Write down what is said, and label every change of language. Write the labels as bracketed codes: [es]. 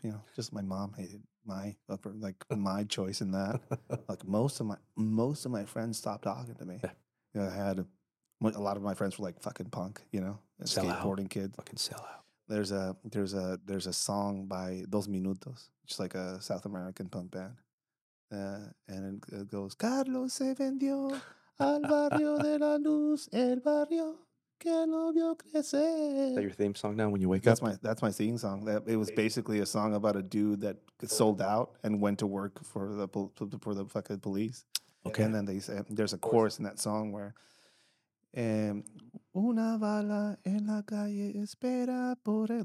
[en] You know, just my mom hated my upper, like my choice in that. Like most of my friends stopped talking to me. Yeah. You know, I had a lot of my friends were like fucking punk. You know, skateboarding kids. Fucking sellout. There's a song by Dos Minutos, which is like a South American punk band. And it goes, [es] Carlos se vendió al barrio de la luz, el barrio que no vio crecer. [en] Is that your theme song now when you wake up? That's my theme song. It was basically a song about a dude that sold out and went to work for the fucking police. Okay. And then they say, there's a chorus in that song where, [es] una bala en la calle espera por él.